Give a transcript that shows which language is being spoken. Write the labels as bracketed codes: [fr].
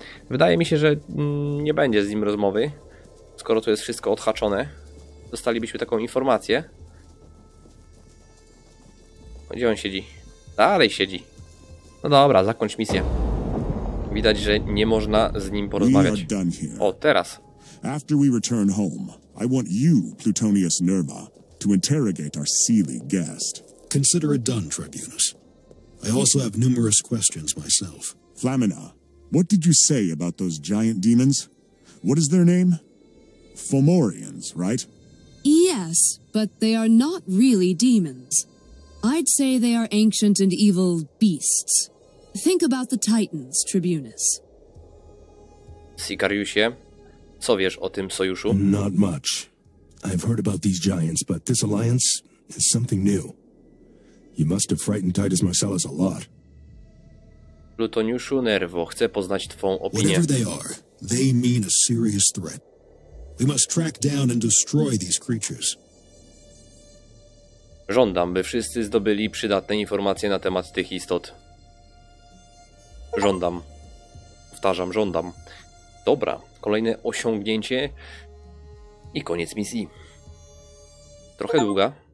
[pl] Wydaje mi się, że nie będzie z nim rozmowy, skoro to jest wszystko odhaczone. Dostalibyśmy taką informację. Gdzie on siedzi? Dalej siedzi. No dobra, zakończ misję. Widać, że nie można z nim porozmawiać. O, teraz. [en] After we return home, I want you, Plutonius Nerva, to interrogate our seely guest. Consider it done, Tribunus. I also have numerous questions myself. Flamina, what did you say about those giant demons? What is their name? Fomorians, right? Yes, but they are not really demons. I'd say they are ancient and evil beasts. Think about the Titans, Tribunus. [pl] Sikariusie, co wiesz o tym sojuszu? [en] Not much. I've heard about these giants, but this alliance is something new. You must have frightened Titus Marcellus a lot. [pl] Plutoniuszu Nerwo, chcę poznać twą opinię. [en] Whatever they are, they mean a serious threat. We must track down and destroy these creatures. [pl] Żądam, by wszyscy zdobyli przydatne informacje na temat tych istot. Żądam. Powtarzam, żądam. Dobra, kolejne osiągnięcie i koniec misji. Trochę długa.